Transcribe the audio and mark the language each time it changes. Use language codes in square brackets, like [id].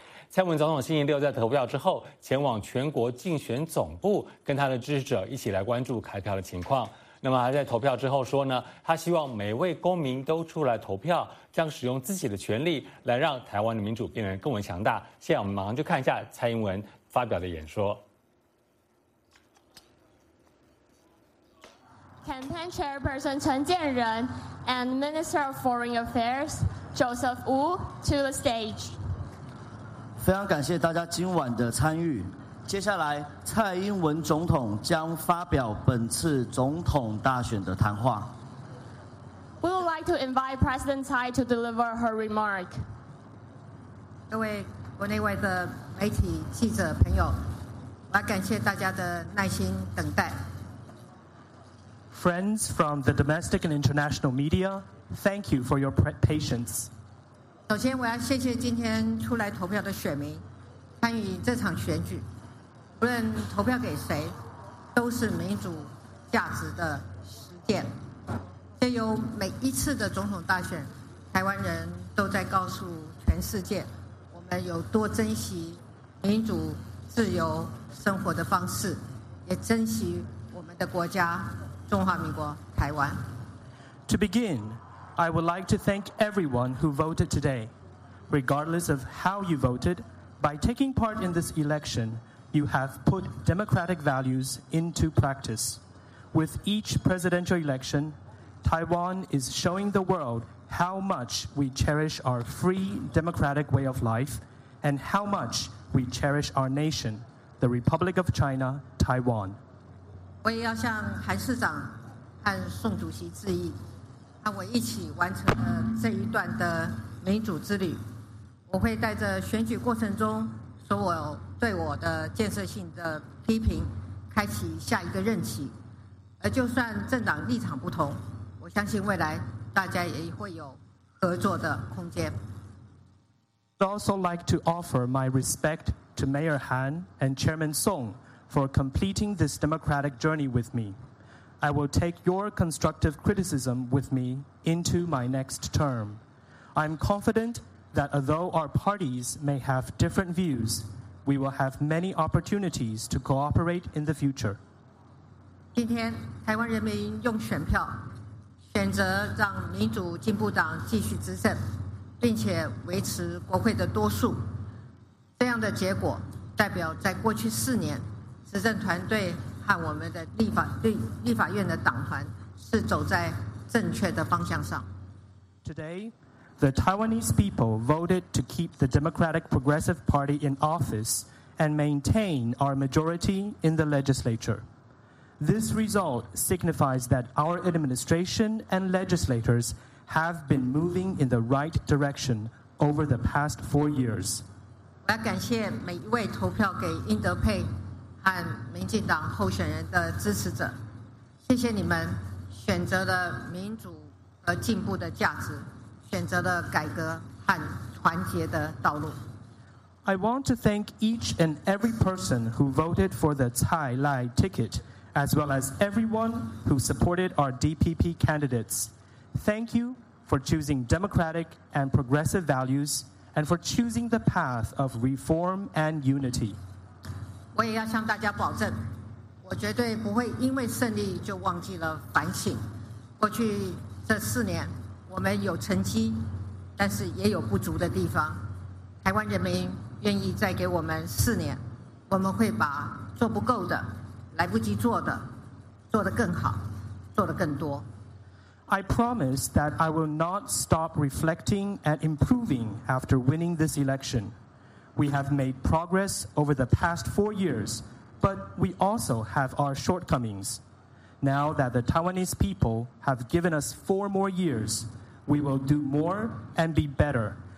[zh] 蔡英文总统星期六在投票之后前往全国竞选总部，跟他的支持者一起来关注开票的情况。那么他在投票之后说呢，他希望每位公民都出来投票，将使用自己的权利来让台湾的民主变得更为强大。现在我们马上就看一下蔡英文发表的演说。 [en] Campaign Chairperson 陈建仁 and Minister of Foreign Affairs Joseph Wu to the stage. [zh] 非常感谢大家今晚的参与。接下来，蔡英文总统将发表本次总统大选的谈话。 [en] We would like to invite President Tsai to deliver her remark. [zh] 各位国内外的媒体记者朋友，我要感谢大家的耐心等待。 [en] Friends from the domestic and international media, thank you for your patience. [zh] 首先我要谢谢今天出来投票的选民参与这场选举，无论投票给谁都是民主价值的实践。借由每一次的总统大选，台湾人都在告诉全世界我们有多珍惜民主自由生活的方式，也珍惜我们的国家中华民国台湾。 [en] To beginI would like to thank everyone who voted today. Regardless of how you voted, by taking part in this election, you have put democratic values into practice. With each presidential election, Taiwan is showing the world how much we cherish our free democratic way of life and how much we cherish our nation, the Republic of China, Taiwan. [zh] 我也要向韩市长和宋主席致意。和我一起完成了这一段的民主之旅，我会带着选举过程中所有对我的建设性的批评开启下一个任期，而就算政党立场不同，我相信未来大家也会有合作的空间。 [en] I'd also like to offer my respect to Mayor Han and Chairman Song for completing this democratic journey with meI will take your constructive criticism with me into my next term. I'm confident that although our parties may have different views, we will have many opportunities to cooperate in the future. [zh] 今天台湾人民用选票选择让民主进步党继续执政，并且维持国会的多数。这样的结果代表在过去四年执政团队和我们的立法院的党团是走在正确的方向上。 [en] Today, the Taiwanese people voted to keep the Democratic Progressive Party in office and maintain our majority in the legislature. This result signifies that our administration and legislators have been moving in the right direction over the past 4 years. [zh] 我要感谢每一位投票给英德佩和民进党候选人的支持者，谢谢你们选择了民主和进步的价值，选择了改革和团结的道路。 [en] I want to thank each and every person who voted for the Tsai Lai ticket, as well as everyone who supported our DPP candidates. Thank you for choosing democratic and progressive values and for choosing the path of reform and unity. [zh] 我也要向大家保证，我绝对不会因为胜利就忘记了反省。过去这四年，我们有成绩，但是也有不足的地方。台湾人民愿意再给我们四年，我们会把做不够的、来不及做的，做得更好，做得更多。 [en] I promise that I will not stop reflecting and improving after winning this election. We have made progress over the past 4 years, but we also have our shortcomings. Now that the Taiwanese people have given us 4 more years, we will do more and be better.